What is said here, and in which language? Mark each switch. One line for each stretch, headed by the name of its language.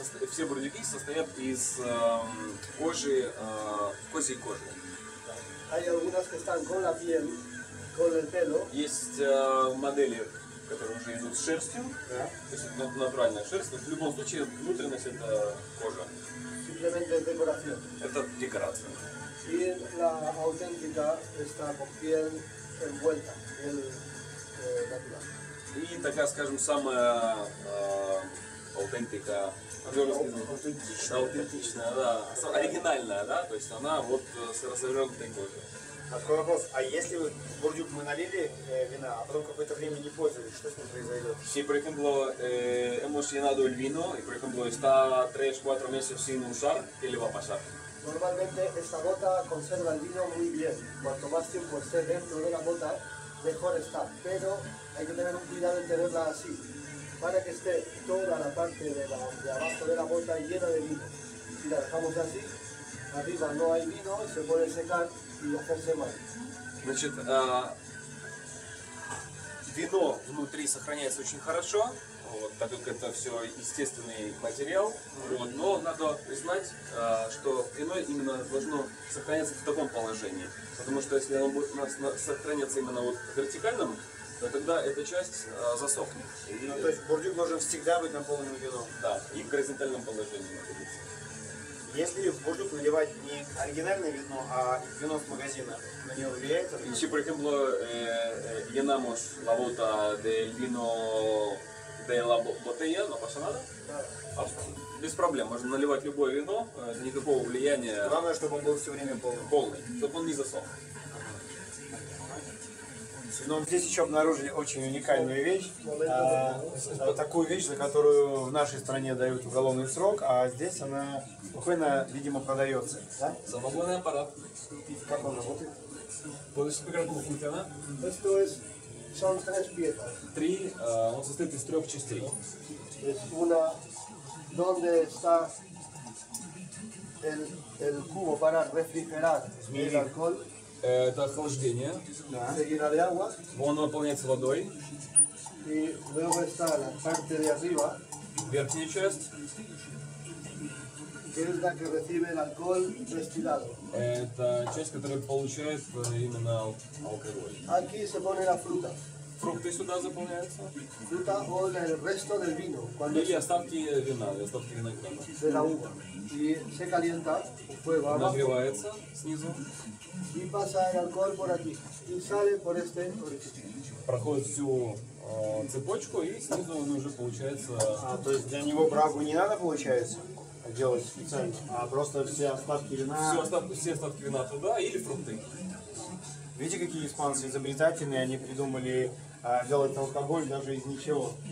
Russian: Все бурдюки состоят из кожи, козьей кожи.
Spanish: Hay algunas que están con la piel, con el pelo.
Russian: Есть модели, которые уже идут с шерстью.
English: Yeah.
Russian: То есть натуральная шерсть. В любом случае, внутренность — это кожа.
Spanish: Simplemente decoración.
Russian: Это декорация.
Spanish: Y la auténtica está con piel envuelta, piel natural.
Russian: И такая, скажем, самая аутентика, аутентичная, да, оригинальная, да, то есть она вот с развернутой кожей. Такой вопрос, а если бурдюк мы налили вина, а потом какое-то время не пользовались, что с ним произойдет?
Spanish: Si, por ejemplo, hemos llenado el vino, y por ejemplo, está 3-4 meses sin usar, ¿qué le va a pasar? Normalmente esta gota conserva el vino muy bien, cuanto más tiempo esté dentro de la gota, mejor está, pero hay que tener un cuidado en tenerla así, para que esté toda la parte de abajo de la bota llena de vino. Si la dejamos así, arriba no hay vino, se puede secar y hacerse mal.
Russian: Значит, вино внутри сохраняется очень хорошо, вот, так как это все естественный материал, вот, но надо знать, что вино именно должно сохраняться в таком положении. Потому что если оно будет у нас сохраняться именно вот вертикальным, то тогда эта часть засохнет. Ну, то есть бурдюк должен всегда быть наполненным вином? Да, и в горизонтальном положении находиться. Если в бурдюк наливать не оригинальное вино, а вино с магазина, на него влияет это вино?
Spanish: Si, por ejemplo, llenamos la bota del vino de la botella, no pasa nada.
Russian: Без проблем, можно наливать любое вино, никакого влияния. Главное, чтобы он был все время полный. Полный, чтобы он не засох. Но здесь еще обнаружили очень уникальную вещь. Такую вещь, за которую в нашей стране дают уголовный срок, а здесь она буквально, видимо, продается. Самогонный аппарат. Как он работает? Подожди, поиграть в она.
Spanish: Son tres piezas.
Russian: Три, он состоит из трех частей.
Spanish: Es una donde está el cubo para refrigerar el alcohol.
Russian: Это охлаждение.
Spanish: Se llena de agua.
Russian: Он наполняется водой.
Spanish: Y luego está la parte de arriba.
Russian: Верхняя часть.
Spanish: Que es la que recibe el alcohol destilado.
Russian: Это часть, которая получает именно алкоголь.
Spanish: Aquí se pone la fruta.
Russian: Фрукты сюда заполняются.
Spanish: Fruta o el resto del vino. Cuando
Russian: или остатки вина, или остатки винограда.
Spanish: De la uva. Y se calienta, fue barato.
Russian: Нагревается снизу.
Spanish: Y pasa el alcohol por aquí. Y sale por este orificio.
Russian: Проходит всю цепочку, и снизу он уже получается... А, то есть для него брагу не надо, получается, делать специально? А просто все остатки вина... Все остатки вина туда, или фрукты. Видите, какие испанцы изобретательные, они придумали делать алкоголь даже из ничего.